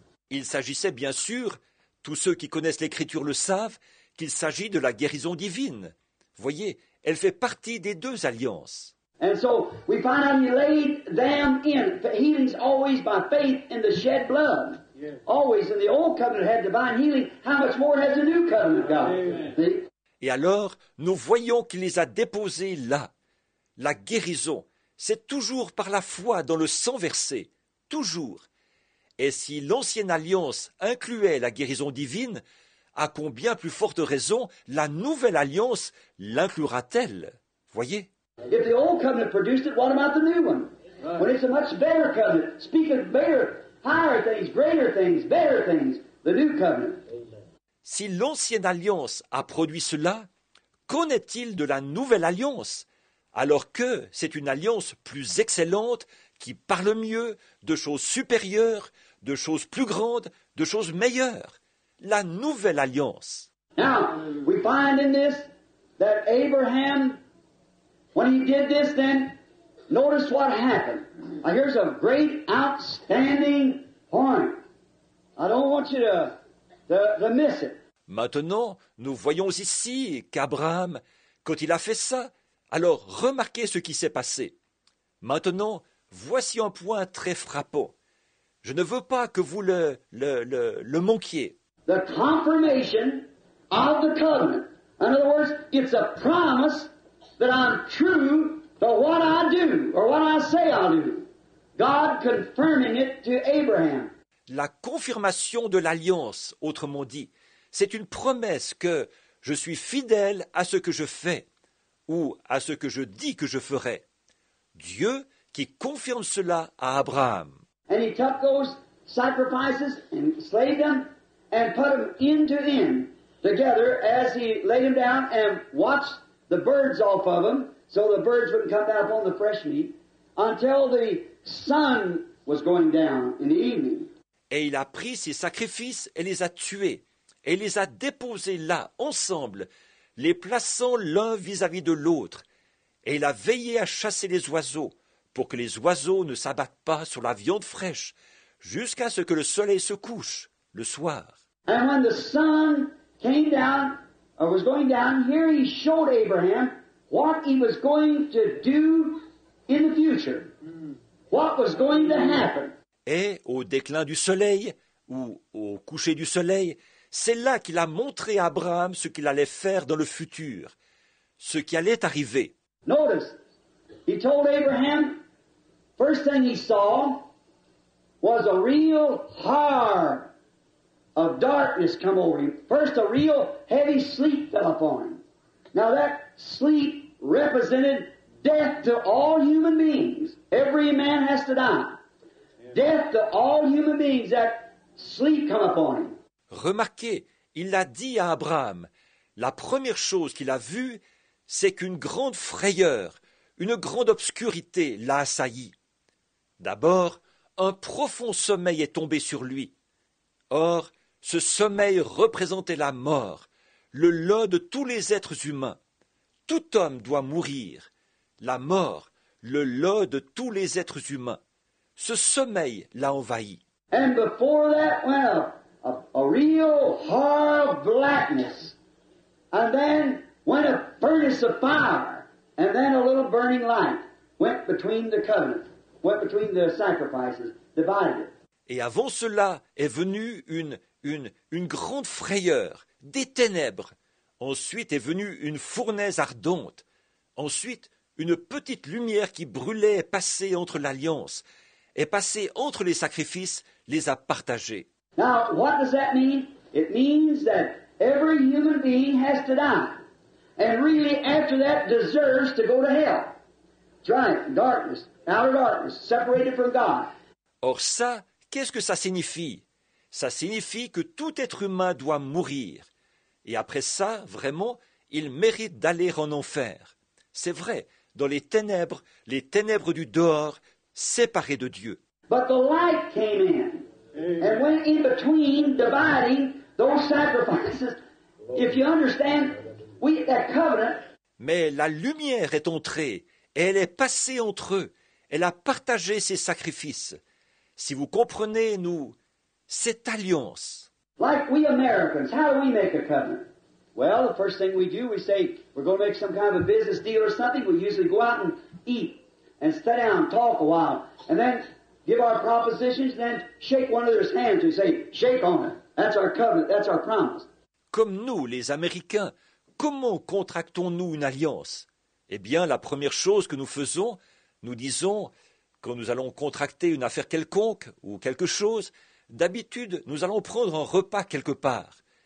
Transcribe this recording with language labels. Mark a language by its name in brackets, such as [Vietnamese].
[French] Il s'agissait bien sûr, tous ceux qui connaissent l'Écriture le savent, qu'il s'agit de la guérison divine. Voyez, elle fait partie des deux alliances. [English] And so we find out he laid them in. Healing's always by faith in the shed blood. Yes. Always in the old covenant had divine healing. How much more has the new covenant got? Amen. [French] Et alors, nous voyons qu'il les a déposés là. La guérison, c'est toujours par la foi dans le sang versé. Toujours. Et si l'ancienne alliance incluait la guérison divine, à combien plus forte raison la nouvelle alliance l'inclura-t-elle? Voyez. [English] If the old covenant produced it, what about the new one? Right. When it's a much better covenant, speaking better, higher things, greater things, better things, the new covenant. Amen. [French] Si l'ancienne alliance a produit cela, qu'en est-il de la nouvelle alliance? Alors que c'est une alliance plus excellente, qui parle mieux, de choses supérieures, de choses plus grandes, de choses meilleures. La nouvelle alliance. [English] Now, we find in this that Abraham... When he did this, then notice what happened. Now, here's a great, outstanding point. I don't want you to miss it. [French] Maintenant, nous voyons ici qu'Abraham, quand il a fait ça, alors remarquez ce qui s'est passé. Maintenant, voici un point très frappant. Je ne veux pas que vous le manquiez. [English] The confirmation of the covenant. In other words, it's a promise. That I'm true to what I do or what I say I do. God confirming it to Abraham. [French] La confirmation de l'alliance, autrement dit, c'est une promesse que je suis fidèle à ce que je fais ou à ce que je dis que je ferai. Dieu qui confirme cela à Abraham. [English] And he took those sacrifices and slayed them and put them end to end together as he laid them down and watched. The birds off of them, so the birds wouldn't come back on the fresh meat, until the sun was going down in the evening. [French] Et il a pris ses sacrifices et les a tués, et les a déposés là, ensemble, les plaçant l'un vis-à-vis de l'autre. Et il a veillé à chasser les oiseaux, pour que les oiseaux ne s'abattent pas sur la viande fraîche, jusqu'à ce que le soleil se couche, le soir. [English] And when the sun came down, I was going down here. He showed Abraham what he was going to do in the future. What was going to happen? [French] Et au déclin du soleil ou au coucher du soleil, c'est là qu'il a montré à Abraham ce qu'il allait faire dans le futur, ce qui allait arriver. [English] Notice, he told Abraham. First thing he saw was a real horror. Of darkness come over him. First, a real heavy sleep fell upon him. Now that sleep represented death to all human beings. Every man has to die. Death to all human beings. That sleep come upon him. [French] Remarquez, il a dit à Abraham, la première chose qu'il a vue, c'est qu'une grande frayeur, une grande obscurité l'a assailli. D'abord, un profond sommeil est tombé sur lui. Or, ce sommeil représentait la mort, le lot de tous les êtres humains. Tout homme doit mourir. La mort, le lot de tous les êtres humains. Ce sommeil l'a envahi. [English] And before that, well, a real hard blackness. And then went a furnace of fire, and then a little burning light went between the covenant, went between the sacrifices, divided it. [French] Et avant cela est venue une grande frayeur, des ténèbres. Ensuite est venue une fournaise ardente. Ensuite, une petite lumière qui brûlait est passée entre l'alliance, est passée entre les sacrifices, les a partagés. [English] Now, what does that mean? It means that every human being has to die. And really, after that, deserves to go to hell. Right, darkness, outer darkness, separated from God. [French] Or ça, qu'est-ce que ça signifie? Ça signifie que tout être humain doit mourir. Et après ça, vraiment, il mérite d'aller en enfer. C'est vrai, dans les ténèbres du dehors, séparés de Dieu. [English] But the light came in and went in between, dividing those sacrifices. If you understand, we that covenant. [French] Mais la lumière est entrée et elle est passée entre eux. Elle a partagé ses sacrifices. Si vous comprenez, nous, cette alliance. [English] Like we Americans, how do we make a covenant? Well, the first thing we do, we say we're going to make some kind of a business deal or something. We usually go out and eat and sit down and talk a while, and then give our propositions, and then shake one another's hands. We say, shake on it. That's our covenant. That's our promise. [French] Comme nous, les Américains, comment contractons-nous une alliance? Eh bien, la première chose que nous faisons, nous disons, quand nous allons contracter une affaire quelconque ou quelque chose, d'habitude, nous allons prendre un repas quelque part.